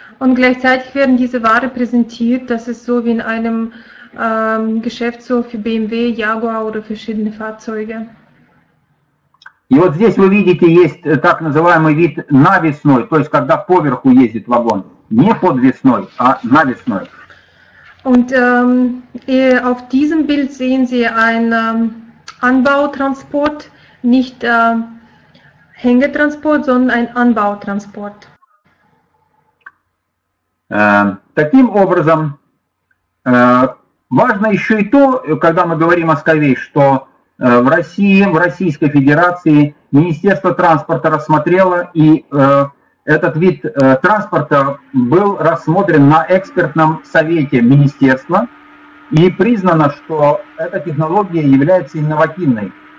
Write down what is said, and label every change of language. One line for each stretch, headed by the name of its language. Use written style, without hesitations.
German: Und gleichzeitig werden diese Ware präsentiert, das ist so wie in einem Geschäftshof für BMW, Jaguar oder verschiedene Fahrzeuge.
Russian: И вот здесь вы видите, есть так называемый вид навесной, то есть когда поверху ездит вагон. Не подвесной, а навесной.
German: Und auf diesem Bild sehen Sie einen Anbautransport, nicht Hängetransport, sondern ein Anbautransport.
Russian: Таким образом, важно еще и то, когда мы говорим о Skyway, что в России, в Российской Федерации Министерство транспорта рассмотрело, и этот вид транспорта был рассмотрен на экспертном совете министерства, и признано, что эта технология является инновативной.